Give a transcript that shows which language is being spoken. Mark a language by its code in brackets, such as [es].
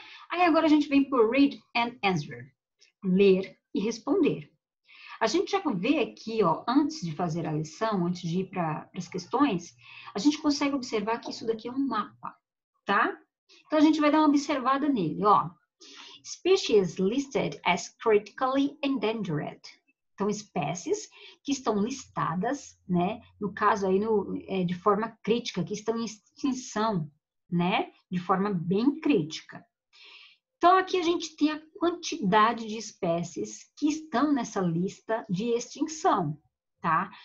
[pt] Aí agora a gente vem por [en] read and answer. [pt] Ler e responder. A gente já vê aqui, ó, antes de fazer a lição, antes de ir para as questões, a gente consegue observar que isso daqui é um mapa, tá? Então a gente vai dar uma observada nele, ó. [en] Species listed as critically endangered. [pt] Então, espécies que estão listadas, né? No caso aí, de forma crítica, que estão em extinção, né? De forma bem crítica. Então, aqui a gente tem a quantidade de espécies que estão nessa lista de extinção, tá?